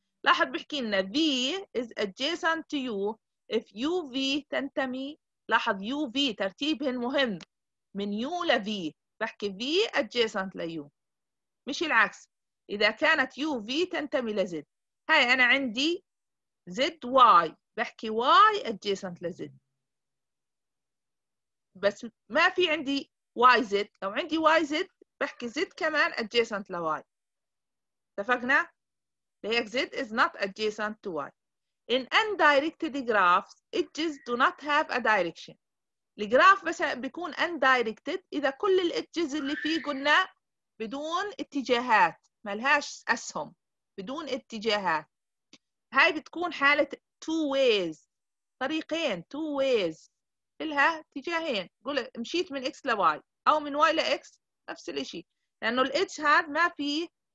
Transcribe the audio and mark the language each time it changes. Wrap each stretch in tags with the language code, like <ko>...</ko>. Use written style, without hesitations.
<ar>لاحظ بحكي لنا</ar> <en>v is adjacent to u if u v</en> <ar>تنتمي، لاحظ u v ترتيبهن مهم، من u ل v بحكي v adjacent ل u، مش العكس، اذا كانت u v تنتمي لزد، هاي انا عندي زد واي بحكي واي adjacent لزد، بس ما في عندي واي زد، لو عندي واي زد بحكي زد كمان adjacent ل y. اتفقنا؟ لهيك زد</ar> <en>is not adjacent to y. In undirected graphs, edges do not have a direction.</en> <ar>الجراف بس بيكون undirected إذا كل الإدجز اللي فيه قلنا بدون اتجاهات، ملهاش أسهم، بدون اتجاهات. هاي بتكون حالة two ways، طريقين، two ways، لها اتجاهين، قول مشيت من X ل Y أو من Y ل X، نفس الإشي، لأنه الإدج هذا ما فيه.</ar>